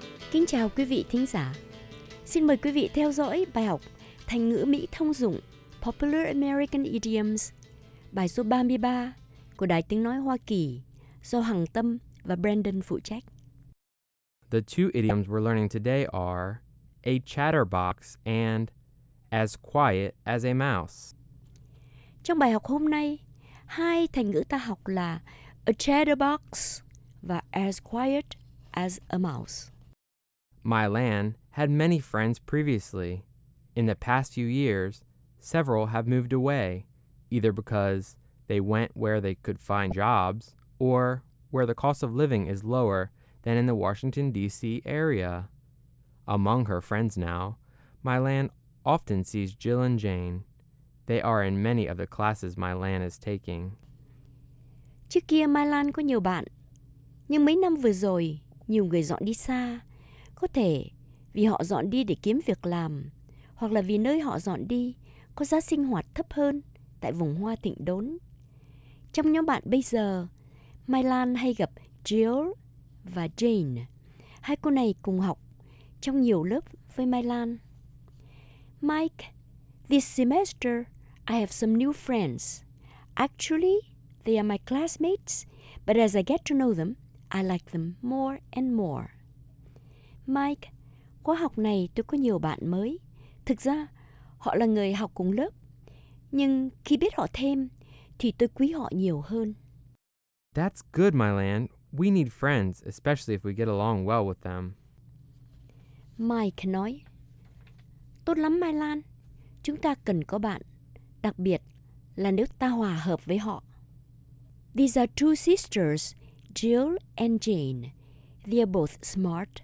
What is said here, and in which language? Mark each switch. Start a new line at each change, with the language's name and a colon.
Vietnamese: Kính chào quý vị thính giả. Xin mời quý vị theo dõi bài học thành ngữ Mỹ thông dụng
English: Popular American Idioms,
Vietnamese: bài số 33 của Đài Tiếng Nói Hoa Kỳ, do Hằng Tâm và Brandon phụ trách.
English: The two idioms we're learning today are a chatterbox and as quiet as a mouse.
Vietnamese: Trong bài học hôm nay, hai thành ngữ ta học là
English: a chatterbox
Vietnamese: và
English: as quiet as a mouse. My Lan had many friends previously. In the past few years, several have moved away, either because they went where they could find jobs or where the cost of living is lower than in the Washington, D.C. area. Among her friends now, Mylan often sees Jill and Jane. They are in many of the classes Mylan is taking.
Vietnamese: Trước kia Mylan có nhiều bạn, nhưng mấy năm vừa rồi, nhiều người dọn đi xa. Có thể vì họ dọn đi để kiếm việc làm, hoặc là vì nơi họ dọn đi có giá sinh hoạt thấp hơn tại vùng hoa thịnh đốn. Trong nhóm bạn bây giờ, Mai Lan hay gặp Jill và Jane. Hai cô này cùng học trong nhiều lớp với Mai Lan.
English: Mike, this semester I have some new friends. Actually, they are my classmates, but as I get to know them, I like them more and more.
Vietnamese: Mike, khóa học này tôi có nhiều bạn mới. Thực ra, họ là người học cùng lớp, nhưng khi biết họ thêm, thì tôi quý họ nhiều hơn.
English: That's good, Mylan. We need friends, especially if we get along well with them.
Vietnamese: Mike nói, tốt lắm, Mylan. Chúng ta cần có bạn, đặc biệt là nếu ta hòa hợp với họ.
English: These are two sisters, Jill and Jane. They are both smart